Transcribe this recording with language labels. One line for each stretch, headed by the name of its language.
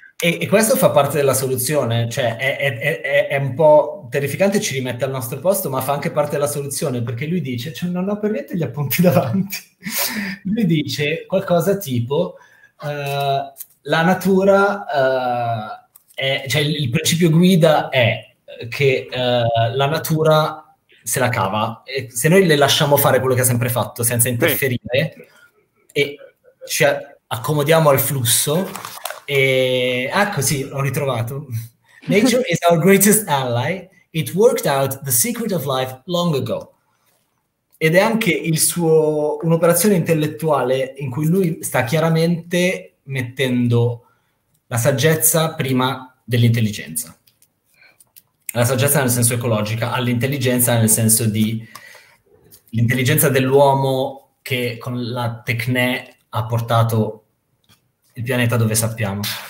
Italian: E questo fa parte della soluzione, cioè è un po' terrificante, ci rimette al nostro posto, ma fa anche parte della soluzione, perché lui dice, cioè non ho per niente gli appunti davanti, lui dice qualcosa tipo, la natura, è, cioè il principio guida è che la natura se la cava, e se noi le lasciamo fare quello che ha sempre fatto, senza interferire, e... ci accomodiamo al flusso e ecco, sì, l'ho ritrovato.
English: Nature is our greatest ally, it worked out the secret of life long ago.
Italian: Ed è anche il suo un'operazione intellettuale in cui lui sta chiaramente mettendo la saggezza prima dell'intelligenza, la saggezza nel senso ecologica, all'intelligenza nel senso di l'intelligenza dell'uomo che con la tecnè ha portato il pianeta dove sappiamo.